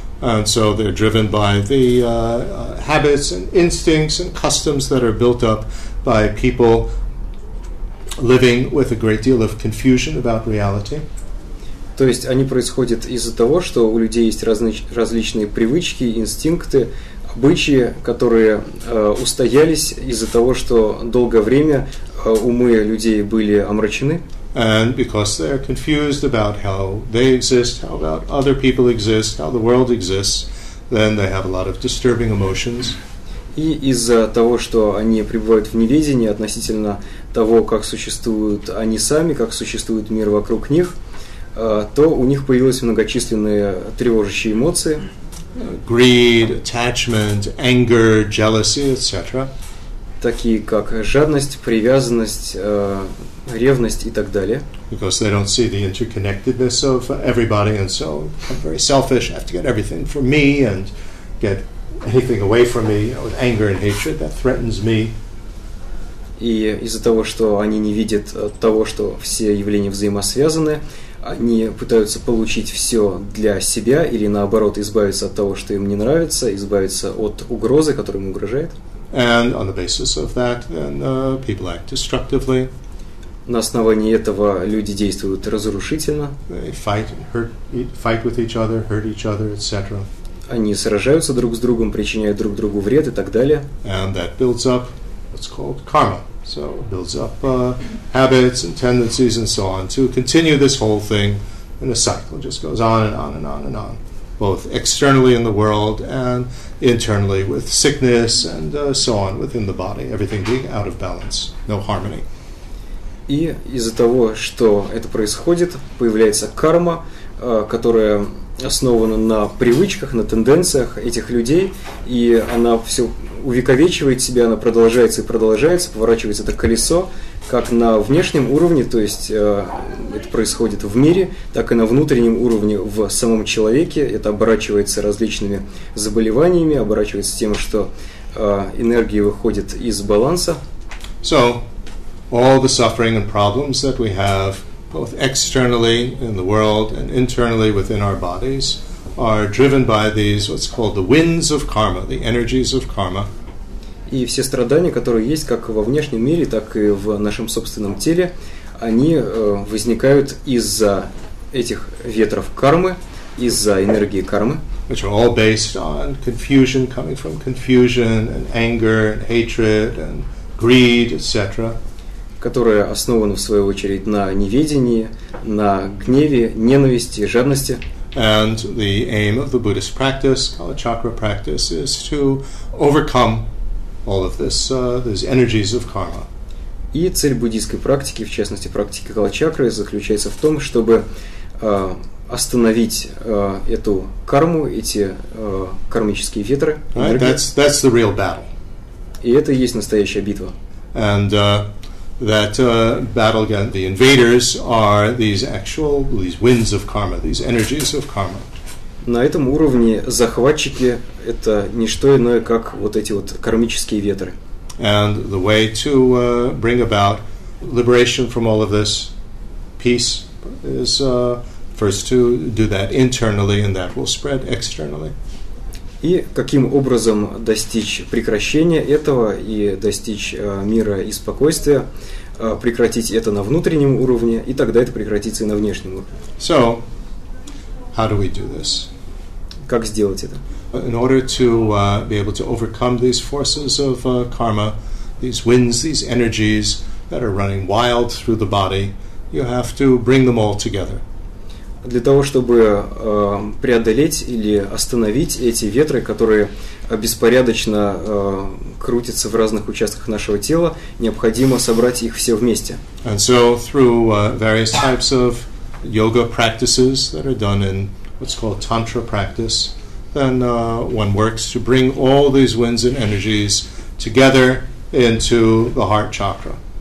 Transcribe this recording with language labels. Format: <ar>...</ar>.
<en>And so they're driven by the habits and instincts and customs that are built up by people living with a great deal of confusion about reality.</en> <ru>То есть они происходят из-за того, что у людей есть различные привычки, инстинкты, обычаи, которые устоялись из-за того, что долгое время умы людей были омрачены.</ru> <en>And because they are confused about how they exist, how about other people exist, how the world exists, then they have a lot of disturbing emotions.</en> <ru>И из-за того, что они пребывают в неведении относительно того, как существуют они сами, как существует мир вокруг них, то у них появились многочисленные тревожащие эмоции.</ru> <en>Greed, attachment, anger, jealousy, etc.</en> <ru>такие как жадность, привязанность, ревность и так далее.</ru> <en>Because they don't see the interconnectedness of everybody, and so I'm very selfish. I have to get everything for me and get anything away from me, you know, with anger and hatred that threatens me.</en> <ru>И из-за того, что они не видят того, что все явления взаимосвязаны, они пытаются получить все для себя или наоборот избавиться от того, что им не нравится, избавиться от угрозы, которая им угрожает.</ru> <en>And on the basis of that, then people act destructively.</en> <ru>На основании этого люди действуют разрушительно.</ru> <en>They fight with each other, etc.</en> <ru>Они сражаются друг с другом, причиняют друг другу вред и так далее.</ru> <en>And that builds up what's called karma. So it builds up habits and tendencies and so on to continue this whole thing, and the cycle just goes on and on and on and on, both externally in the world and internally with sickness and so on within the body, everything being out of balance, no harmony.</en> <ru>И из-за того, что это происходит, появляется карма, которая основана на привычках, на тенденциях этих людей, и она все увековечивает себя, она продолжается и продолжается, поворачивается это колесо, как на внешнем уровне, то есть это происходит в мире, так и на внутреннем уровне в самом человеке. Это оборачивается различными заболеваниями, оборачивается тем, что энергия выходит из баланса.</ru> <en>So, all the suffering and problems that we have, both externally in the world and internally within our bodies, are driven by these what's called the winds of karma, the energies of karma.</en> <ru>И все страдания, которые есть как во внешнем мире, так и в нашем собственном теле, они возникают из-за этих ветров кармы, из-за энергии кармы.</ru> <en>Which are all based on confusion, coming from confusion and anger and hatred and greed, etc.</en> <ru>Которая основана в свою очередь на неведении, на гневе, ненависти, жадности.</ru> <en>And the aim of the Buddhist practice, called chakra practice, is to overcome all of this, these energies of karma.</en> <ru>И цель буддийской практики, в частности практики калачакры, заключается в том, чтобы остановить эту карму, эти кармические ветры.</ru> <en>Right, that's the real battle.</en> <ru>И это и есть настоящая битва.</ru> <en>And that battle against the invaders are these actual these winds of karma, these energies of karma.</en> <ru>На этом уровне захватчики — это не что иное, как вот эти вот кармические ветры.</ru> <en>And the way to bring about liberation from all of this, peace, is first to do that internally, and that will spread externally.</en> <ru>И каким образом достичь прекращения этого и достичь мира и спокойствия, прекратить это на внутреннем уровне, и тогда это прекратится и на внешнем уровне.</ru> <en>So, how do we do this?</en> <ru>Как сделать это?</ru> <en>In order to be able to overcome these forces of karma, these winds, these energies that are running wild through the body, you have to bring them all together.</en> <ru>Для того, чтобы преодолеть или остановить эти ветры, которые беспорядочно крутятся в разных участках нашего тела, необходимо собрать их все вместе.</ru> <en>And so through various types of yoga practices that are done in what's called tantra practice, then one works to bring all these winds and energies together into the heart chakra.</en>